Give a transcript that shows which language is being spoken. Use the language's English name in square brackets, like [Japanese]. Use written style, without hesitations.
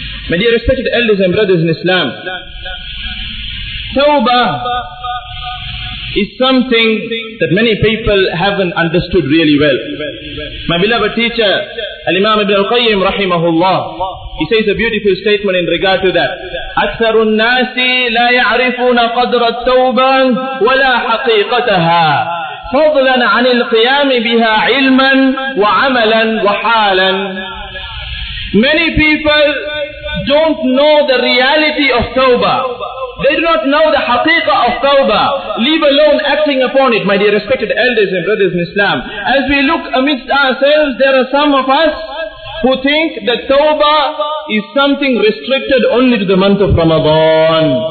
[English] My dear respected elders and brothers in Islam, Tawbah is something that many people haven't understood really well. My beloved teacher, Al-Imam Ibn Al-Qayyim rahimahullah, he says a beautiful statement in regard to that. [Arabic] أَكْثَرُ النَّاسِ لَا يَعْرِفُونَ قَدْرَ التَّوْبَةِ وَلَا حَقِيقَتَهَا فَضْلًا عَنِ الْقِيَامِ بِهَا عِلْمًا وَعَمَلًا وَحَالًا. [English] Many people don't know the reality of tawbah. They do not know the haqiqah of tawbah, leave alone acting upon it. My dear respected elders and brothers in Islam, as we look amidst ourselves, there are some of us who think that tawbah is something restricted only to the month of Ramadan.